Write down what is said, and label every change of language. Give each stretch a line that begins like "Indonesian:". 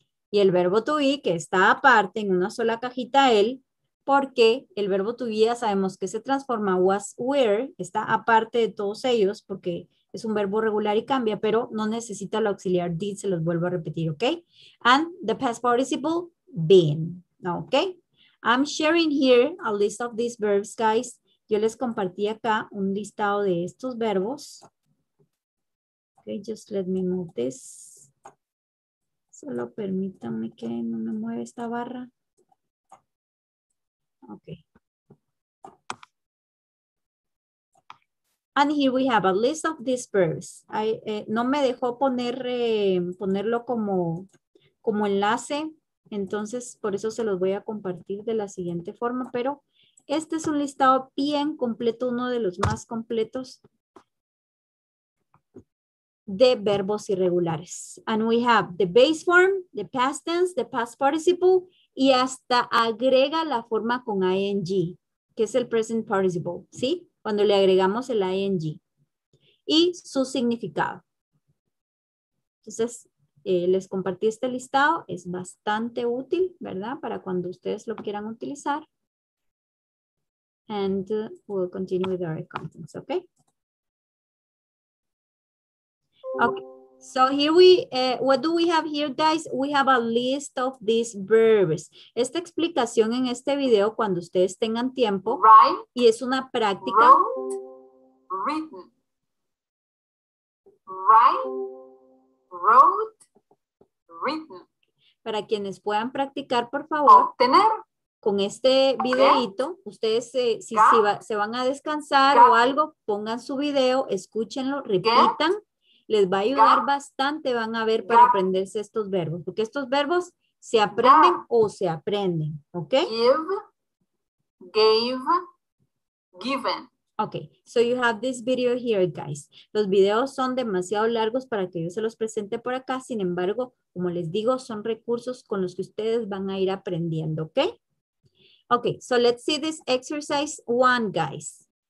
Spanish: Y el verbo to be, que está aparte en una sola cajita, él, porque el verbo to be ya sabemos que se transforma was, were, está aparte de todos ellos porque es un verbo regular y cambia, pero no necesita el auxiliar did, se los vuelvo a repetir, ¿ok?
English: And the past participle, been, ¿ok? I'm sharing here a list of these verbs, guys.
Spanish: Yo les compartí acá un listado de estos verbos.
English: Ok, just let me move this.
Spanish: Solo permítanme que no me mueva esta barra.
English: Ok. And here we have a list of these verbs.
Spanish: No me dejó ponerlo como enlace. Entonces, por eso se los voy a compartir de la siguiente forma. Pero este es un listado bien completo, uno de los más completos de verbos irregulares.
English: And we have the base form, the past tense, the past participle,
Spanish: y hasta agrega la forma con ing, que es el present participle, ¿sí? Cuando le agregamos el ing y su significado. Entonces, les compartí este listado, es bastante útil, ¿verdad? Para cuando ustedes lo quieran utilizar.
English: And we'll continue with our contents,
Spanish: ¿ok?
English: Okay, so here what do we have here, guys? We have a list of these verbs.
Spanish: Esta explicación en este video, cuando ustedes tengan tiempo,
English: write,
Spanish: y es una práctica.
English: Written. Write, wrote, written.
Spanish: Para quienes puedan practicar, por favor. Obtener. Con este videito, okay. Ustedes si se van a descansar, yeah, o algo, pongan su video, escúchenlo, repitan. Yeah. Les va a ayudar bastante, van a ver, para aprenderse estos verbos. Porque estos verbos se aprenden o se aprenden, ¿ok?
English: Give, gave, given. Ok, so you have this video here, guys.
Spanish: Los videos son demasiado largos para que yo se los presente por acá. Sin embargo, como les digo, son recursos con los que ustedes van a ir aprendiendo, ¿ok?
English: Ok, so let's see this exercise one, guys.